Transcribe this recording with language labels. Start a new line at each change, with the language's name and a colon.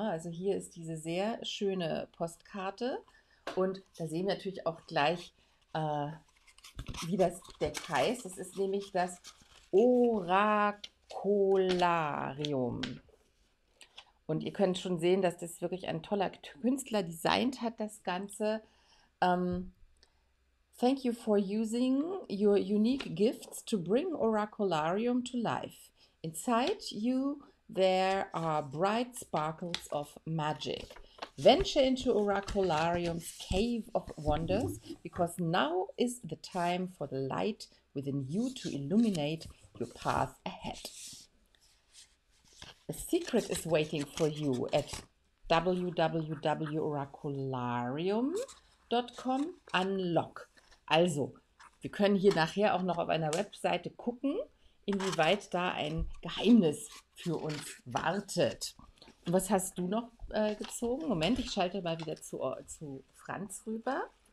German: Also hier ist diese sehr schöne Postkarte und da sehen wir natürlich auch gleich, wie das Deck heißt. Das ist nämlich das Orakularium. Und ihr könnt schon sehen, dass das wirklich ein toller Künstler designt hat, das Ganze.
English: Thank you for using your unique gifts to bring Oracularium to life. Inside you there are bright sparkles of magic. Venture into Oracularium's cave of wonders, because now is the time for the light within you to illuminate your path ahead. A secret is waiting for you at www.oracularium.com. Unlock.
German: Also, wir können hier nachher auch noch auf einer Webseite gucken, inwieweit da ein Geheimnis für uns wartet. Und was hast du noch gezogen? Moment, ich schalte mal wieder zu Franz rüber.